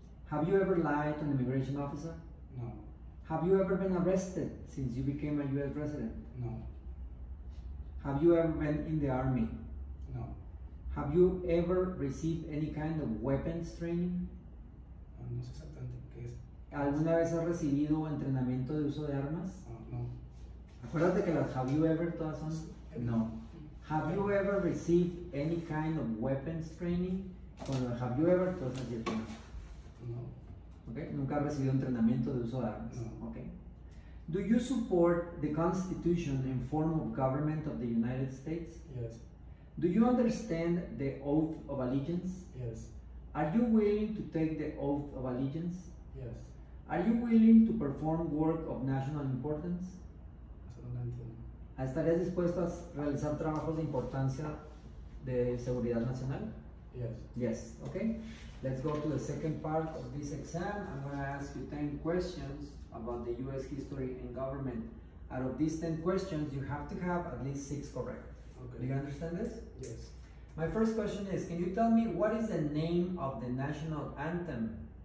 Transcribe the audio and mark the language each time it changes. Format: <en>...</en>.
<en>Have you ever lied to an immigration officer? No. Have you ever been arrested since you became a U.S. resident? No. Have you ever been in the army? No. Have you ever received any kind of weapons training?</en> <es>No sé exactamente qué es. ¿Alguna vez has recibido entrenamiento de uso de armas? No. Acuérdate que las</es> <en>have you ever</en> <es>todas son. No.</es> <en>Have you ever received any kind of weapons training?</en> <es>Con las</es> <en>have you ever</en> <es>todas son cierto. No.</es> <en>Okay.</en> <es>¿Nunca has recibido entrenamiento de uso de armas? No.</es> <en>Okay. Do you support the Constitution and form of government of the United States? Yes. Do you understand the Oath of Allegiance? Yes. Are you willing to take the Oath of Allegiance? Yes. Are you willing to perform work of national importance? Absolutely.</en> <es>¿Estarías dispuesto a realizar trabajos de importancia de seguridad nacional?</es> <en>Yes. Yes, okay. Let's go to the second part of this exam. I'm going to ask you 10 questions about the U.S. history and government. Out of these 10 questions, you have to have at least 6 correct. Okay. Do you understand this? Yes. My first question is, can you tell me what is the name of the national anthem?</en>